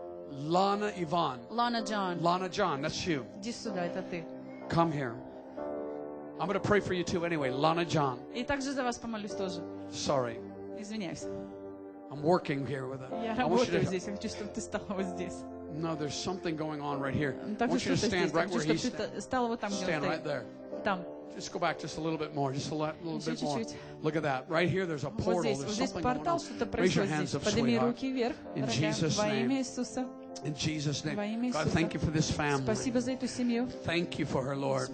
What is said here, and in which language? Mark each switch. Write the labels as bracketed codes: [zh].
[en] Lana Ivan. Lana John. Lana John. That's you. [ru] Сюда, это ты. [en] Come here. I'm going to pray for you too anyway, Lana John. [ru] И также за вас помолюсь тоже. [en] Sorry. [ru] Извиняюсь. [en] I'm working here with them. [ru] Я работаю здесь. Я хочу, чтобы ты стала вот здесь. [en] No, there's something going on right here. I want you to stand right where he's standing. Stand right there. [ru] Там. [en] Just go back just a little bit more. Just a little bit more. Look at that. Right here, there's a portal. There's something going on. [ru] Что-то происходит. [en] Raise your hands up, sweetheart. In Jesus' name. In Jesus' name. God, thank you for this family. Thank you for her, Lord.